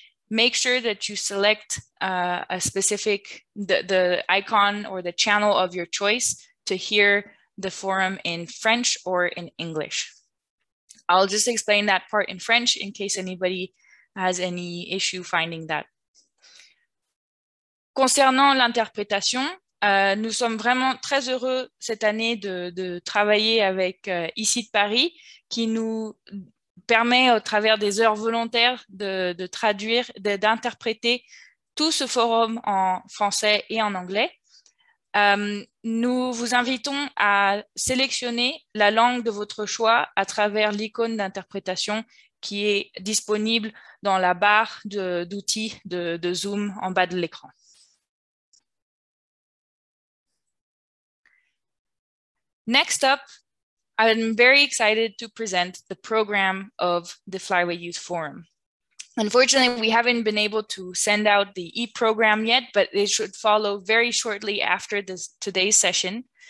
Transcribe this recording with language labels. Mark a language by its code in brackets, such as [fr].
[en] Make sure that you select a specific, the icon or the channel of your choice to hear the forum in French or in English. I'll just explain that part in French in case anybody has any issue finding that. [fr] Concernant l'interprétation, nous sommes vraiment très heureux cette année de travailler avec ICI de Paris, qui nous permet au travers des heures volontaires de traduire, d'interpréter tout ce forum en français et en anglais. Nous vous invitons à sélectionner la langue de votre choix à travers l'icône d'interprétation qui est disponible dans la barre d'outils de Zoom en bas de l'écran. [en] Next up, I'm very excited to present the program of the Flyway Youth Forum. Unfortunately, we haven't been able to send out the e-program yet, but it should follow very shortly after this, today's session.